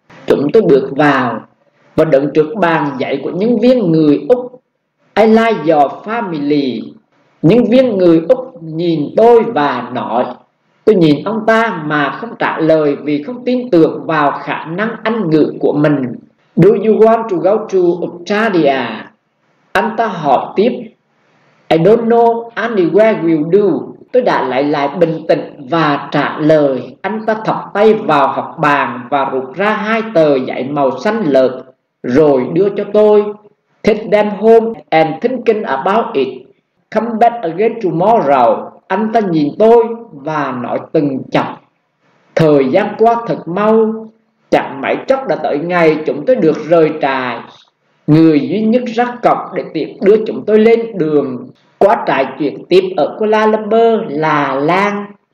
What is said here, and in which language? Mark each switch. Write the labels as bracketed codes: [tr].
[vi] Chúng tôi bước vào và đứng trước bàn dãy của nhân viên người Úc. [en] I like your family. [vi] Nhân viên người Úc nhìn tôi và nói. Tôi nhìn ông ta mà không trả lời vì không tin tưởng vào khả năng Anh ngữ của mình. [en] Do you want to go to Australia? [vi] Anh ta hỏi tiếp. [en] I don't know anywhere we'll do. [vi] Tôi đã lại lại bình tĩnh và trả lời. Anh ta thọc tay vào hộp bàn và rút ra hai tờ giấy màu xanh lợt rồi đưa cho tôi. [en] Take them home and thinking about it. Come back again tomorrow. [vi] Anh ta nhìn tôi và nói từng chập. Thời gian qua thật mau, chẳng mãi chốc đã tới ngày chúng tôi được rời trại. Người duy nhất ra cọc để tiếp đưa chúng tôi lên đường qua trại chuyển tiếp ở Kuala Lumpur là Lan.